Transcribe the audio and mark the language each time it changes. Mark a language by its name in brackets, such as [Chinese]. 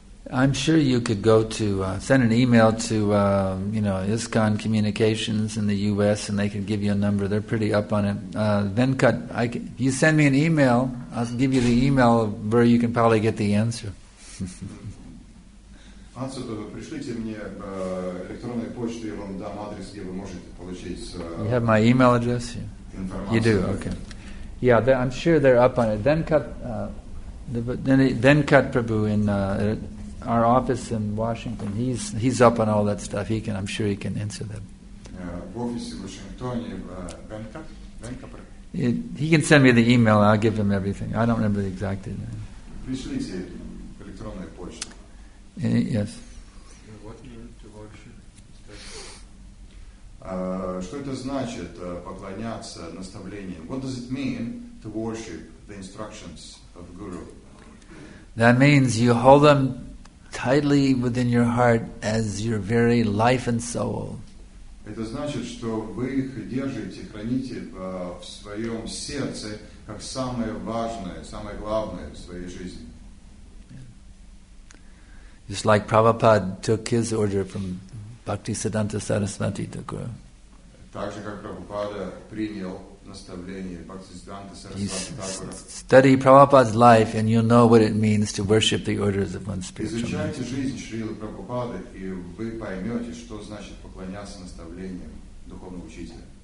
[English] I'm sure you could go to send an email to ISKCON Communications in the U.S. and they can give you a number. They're pretty up on it. Venkat, if you send me an email, I'll give you the email where you can probably get the answer. [Russian] Пришлите мне электронную почту, я вам дам адрес, где вы можете получить. [English] You have my email address? You do. Okay. Yeah, I'm sure they're up on it. Venkat Prabhu in our office in Washington, he's up on all that stuff. I'm sure he can answer that. [Russian] В офисе в Вашингтоне Бенка. [English] He can send me the email. I'll give him everything. I don't remember the exact name. [Russian] Пришлите электронной почтой. [English] Yes. What means to worship? [Russian] Что это значит поклоняться наставлениям? [English] What does it mean to worship the instructions of Guru? That means you hold them tightly within your heart as your very life and soul. [Russian] Это значит, что вы их держите, храните в своем сердце как самое важное, самое главное в своей жизни. [English] Just like Prabhupada took his order from Bhaktisiddhanta Saraswati Thakura. [Russian] Так же, как Прабхупада принял наставление Бхактисиддханта Сарасвати Тхакура. [English] Study Prabhupada's life and you'll know what it means to worship the orders of one spiritual master. [Russian] Изучайте жизнь Шрилы Прабхупады, и вы поймете, что значит поклоняться наставлениям духовного учителя.